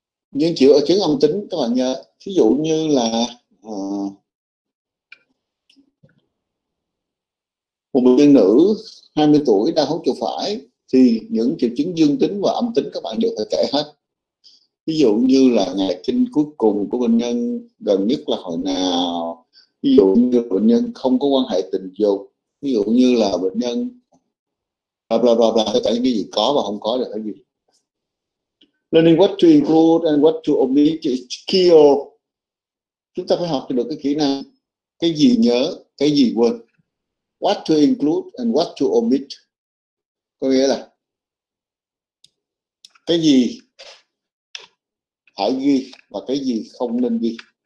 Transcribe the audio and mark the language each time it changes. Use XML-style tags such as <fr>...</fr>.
<vi>Những chữ ở chứng âm tính các bạn nhớ. Ví dụ như là một bệnh nhân nữ 20 tuổi đang hút chuột phải thì những triệu chứng dương tính và âm tính các bạn đều phải kể hết. Ví dụ như là ngày kinh cuối cùng của bệnh nhân gần nhất là hồi nào. Ví dụ như bệnh nhân không có quan hệ tình dục. Ví dụ như là bệnh nhân bla bla bla bla, tất cả những cái gì có và không có được cái gì.</vi> <en>Learning what to include and what to omit is key.</en> <vi>Chúng ta phải học được cái kỹ năng cái gì nhớ, cái gì quên.</vi> <en>What to include and what to omit.</en> <vi>Có nghĩa là cái gì phải ghi và cái gì không nên ghi.</vi>